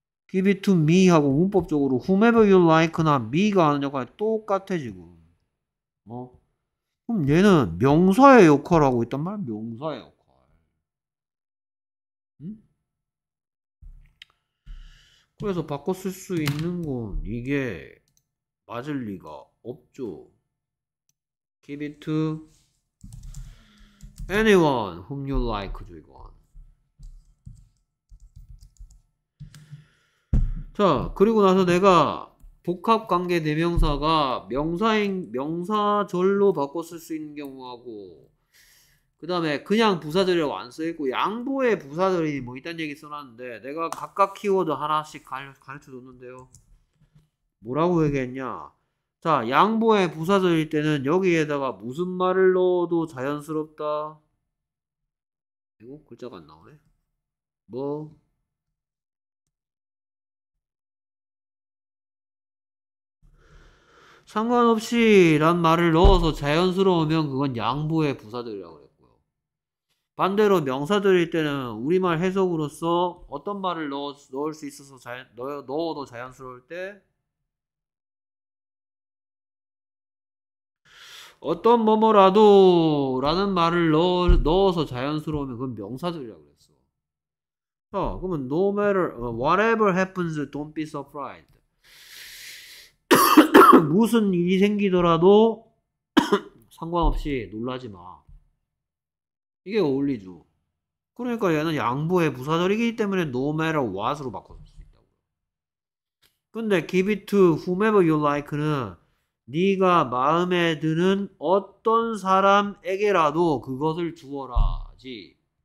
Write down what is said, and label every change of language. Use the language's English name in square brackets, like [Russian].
[English] give it to me [Korean] 하고 문법적으로 [English] whomever you like [Korean] 나 me가 하는 역할이 똑같아 지금. 어? 그럼 얘는 명사의 역할을 하고 있단 말이야? 명사의 역할. 응? 그래서 바꿔 쓸 수 있는 건 이게 맞을 리가 없죠. [English] Give it to anyone whom you like죠, [Korean] 이건. 자, 그리고 나서 내가 복합관계 대명사가 명사인 명사절로 바꿔 쓸 수 있는 경우하고 그 다음에 그냥 부사절이라고 안 써있고 양보의 부사절이 뭐 이딴 얘기 써놨는데 내가 각각 키워드 하나씩 가르쳐줬는데요. 뭐라고 얘기했냐. 자, 양보의 부사절일 때는 여기에다가 무슨 말을 넣어도 자연스럽다. 이거 글자가 안 나오네. 뭐? 상관없이 란 말을 넣어서 자연스러우면 그건 양보의 부사절이라고 그랬고요. 반대로 명사절일 때는 우리말 해석으로서 어떤 말을 넣을 수 있어서 넣어도 자연스러울 때 어떤 뭐뭐라도 라는 말을 넣어서 자연스러우면 그건 명사절이라고 그랬어. 자, 그러면 [English] no matter whatever happens, don't be surprised. [Korean] 무슨 일이 생기더라도 상관없이 놀라지 마. 이게 어울리죠. 그러니까 얘는 양보의 부사절이기 때문에 no matter what 으로 바꿔줄 수 있다고. 근데 [English] give it to whomever you like [Korean] 는 네가 마음에 드는 어떤 사람에게라도 그것을 주어라지.